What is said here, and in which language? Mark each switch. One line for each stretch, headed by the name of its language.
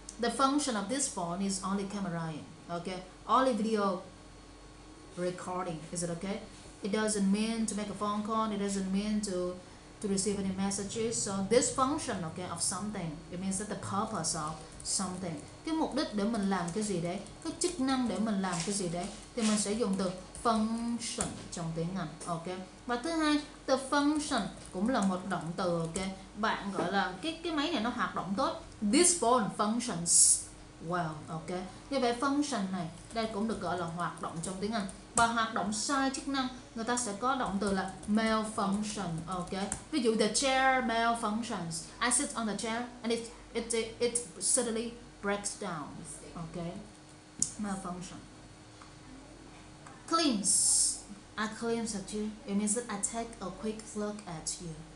English: The function of this phone is only camera, okay? Only video recording, is it okay? It doesn't mean to make a phone call, it doesn't mean to receive any messages. So this function, okay, of something, it means that the purpose of something.
Vietnamese: Cái mục đích để mình làm cái gì đấy, cái chức năng để mình làm cái gì đấy, thì mình sẽ dùng từ function trong tiếng Anh, okay? Và thứ hai, the function cũng là một động từ, okay? Bạn gọi là cái máy này nó hoạt động tốt,
English: this phone functions well,
Vietnamese: ok. Như vậy function này đây cũng được gọi là hoạt động trong tiếng Anh. Và hoạt động sai chức năng, người ta sẽ có động từ là malfunction, ok. Ví dụ
English: the chair malfunctions. I sit on the chair and it suddenly breaks down, ok. Malfunction. Cleanse. I cleanse at you. It means that I take a quick look at you.